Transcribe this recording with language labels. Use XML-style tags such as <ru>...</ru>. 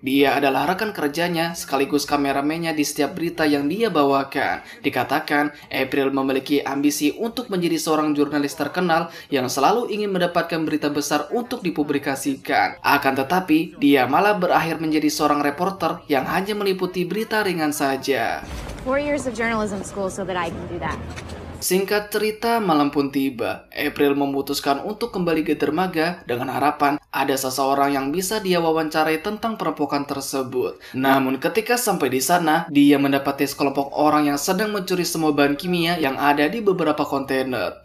<id>Dia adalah rekan kerjanya sekaligus kameramennya di setiap berita yang dia bawakan. Dikatakan, April memiliki ambisi untuk menjadi seorang jurnalis terkenal yang selalu ingin mendapatkan berita besar untuk dipublikasikan. Akan tetapi, dia malah berakhir menjadi seorang reporter yang hanya meliputi berita ringan saja.</id> <en>4 years of journalism school so that I can do that.</en> <id>Singkat cerita, malam pun tiba. April memutuskan untuk kembali ke dermaga dengan harapan ada seseorang yang bisa dia wawancarai tentang perampokan tersebut. Namun ketika sampai di sana, dia mendapati sekelompok orang yang sedang mencuri semua bahan kimia yang ada di beberapa kontainer.</id>